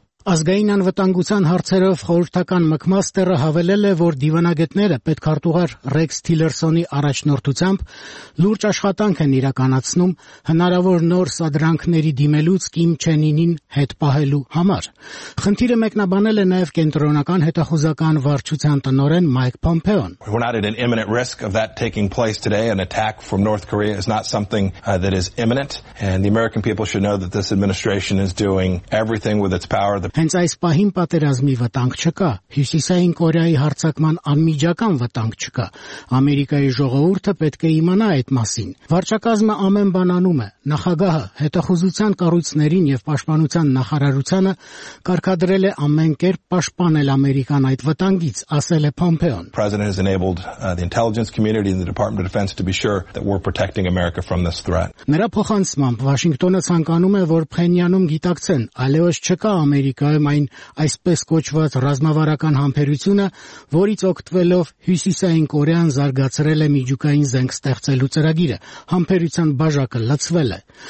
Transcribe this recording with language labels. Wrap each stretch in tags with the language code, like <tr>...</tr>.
<hy>Ազգային անվտանգության հարցերով խորհրդական Մակմաստերը հավելել է, որ դիվանագետները պետք արտուղար Ռեքս Թիլերսոնի առաջնորդությամբ լուրջ աշխատանք են իրականացնում հնարավոր նոր սադրանքների դիմելուց Կիմ Չեն Ինին հետ պահելու համար։ Խնդիրը մեկնաբանել է նաև կենտրոնական հետախուզական վարչության տնօրեն Մայք Պոմպեոն։</hy> <en>We're not at an imminent risk of that taking place today. An attack from North Korea is not something that is imminent, and the American people should know that this administration is doing everything with its power.</en> <hy>Հենց այս պահին պատերազմի վտանգ չկա, Հյուսիսային Կորեայի հարձակման անմիջական վտանգ չկա, Ամերիկայի ժողովուրդը պետք է իմանա այդ մասին։ Վարչակազմը ամեն բան անում է, նախագահը հետախուզության կառույցներին և պաշտպանության նախարարությանը կարգադրել է ամեն կերպ պաշտպանել Ամերիկան այդ վտանգից, ասել է Պոմպեոն։</hy> <en>The president has enabled the intelligence community and the Department of Defense to be sure that we're protecting America from this threat.</en> <hy>Նրա փոխանցմամբ Վաշինգտոնը ցանկանում է, որ Փենյանում գիտակցեն, այլևս չկա Ամերիկա ներկայում այն այսպես կոչված ռազմավարական համբերությունը, որից օգտվելով Հյուսիսային Կորեան զարգացրել է միջուկային զենք ստեղծելու ծրագիրը, համբերության բաժակը լցվել է։</hy>